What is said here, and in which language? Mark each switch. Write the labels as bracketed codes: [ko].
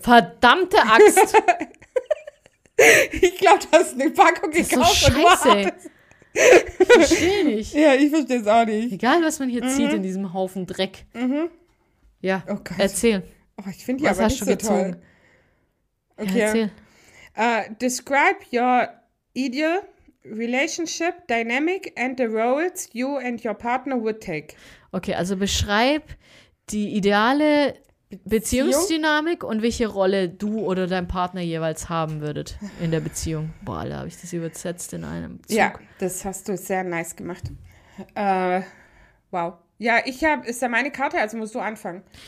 [de] Verdammte Axt! Ich glaube, du hast eine Packung das gekauft. Ist so scheiße. Und verstehe nicht. Ja, ich verstehe es auch nicht. Egal, was man hier zieht in diesem Haufen Dreck. Mhm. Ja, oh Gott. Erzähl. Oh, ich finde die aber nicht so gezogen? Toll. Okay. Ja, erzähl. [en] Describe your ideal relationship dynamic and the roles you and your partner would take. [de] Okay, also beschreib die ideale Beziehungsdynamik und welche Rolle du oder dein Partner jeweils haben würdet in der Beziehung. Boah, da habe ich das übersetzt in einem Zug. Ja, das hast du sehr nice gemacht. Wow. Ja, ich habe, ist ja meine Karte, also musst du anfangen.